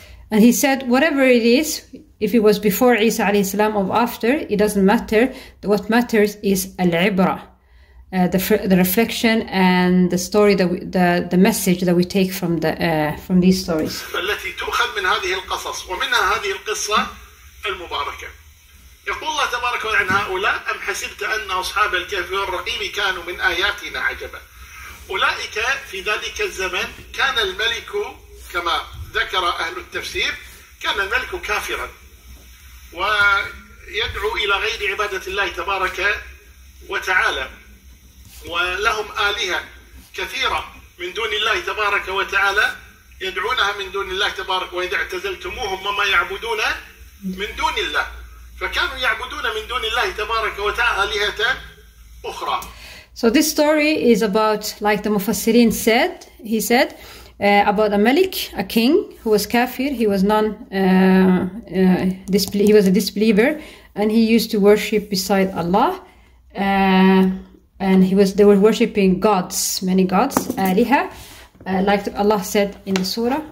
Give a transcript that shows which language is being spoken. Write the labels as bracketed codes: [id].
[en] And he said, whatever it is, if it was before Isa alayhi salam or after, it doesn't matter. What matters is al-ibra, the reflection and the story, that we, the message that we take from these stories. [ar] التي تؤخذ من هذه القصص ومنها هذه القصة المباركة. يقول الله تبارك وتعالى عن هؤلاء أم حسبت أن أصحاب الكهف والرقيم كانوا من آياتنا عجبا. أولئك في ذلك الزمن كان الملك كما ذكر أهل التفسير كان الملك كافرا ويدعو إلى غير عبادة الله تبارك وتعالى ولهم آلهة كثيرة من دون الله تبارك وتعالى يدعونها من دون الله تبارك وإذا اعتزلتموهم وما يعبدون من دون الله فكانوا يعبدون من دون الله تبارك وتعالى آلهة أخرى. [en] So this story is about, like the Mufassirin said, he said about a Malik, a king who was kafir, he was he was a disbeliever, and he used to worship beside Allah, and they were worshiping gods, many gods, aliha, like Allah said in the surah.